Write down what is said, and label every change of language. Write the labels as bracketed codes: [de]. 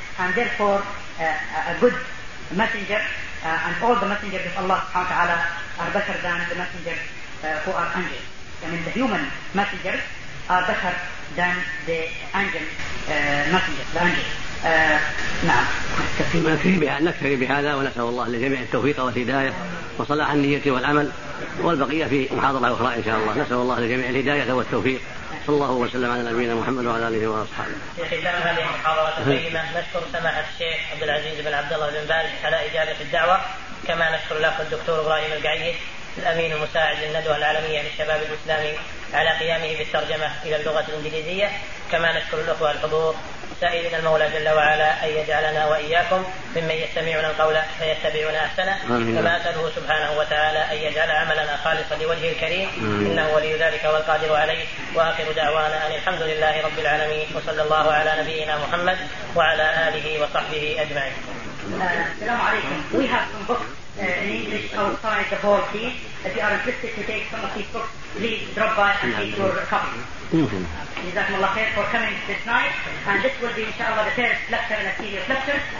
[en] And therefore, a good messenger, and all the messengers of Allah subhanahu wa ta'ala, are better than the messengers who are angels. I mean, the human messengers are better than the angel messengers, the angels. [ar] نعم. نكتفي بهذا ونسأل الله للجميع التوفيق والهداية وصلاح النية والعمل، والبقية في محاضرة أخرى إن شاء الله. نسأل الله للجميع الهداية والتوفيق، صلى الله وسلم على نبينا محمد وعلى آله وأصحابه. في ختام هذه المحاضرة الكريمة نشكر سماحة الشيخ عبد العزيز بن عبد الله بن باز على إجابة الدعوة، كما نشكر الأخ الدكتور إبراهيم القعيد الأمين المساعد للندوة العالمية للشباب الإسلامي على قيامه بالترجمة إلى اللغة الإنجليزية، كما نشكر الأخوة الحضور، سائلين المولى جل وعلا أن يجعلنا وإياكم ممن يستمعون القول فيتبعون أحسنه، كما أسأله سبحانه وتعالى أن يجعل عملنا خالصا لوجهه الكريم، إنه ولي ذلك والقادر عليه. وآخر دعوانا أن الحمد لله رب العالمين، وصلى الله على نبينا محمد وعلى آله وصحبه أجمعين. السلام عليكم. [en] in English, I was trying the whole thing. If you are interested to take some of these books, please drop by and take your copy. Jazakumullah khair for coming this night. And this will be, inshallah, the first lecture in a series of lectures.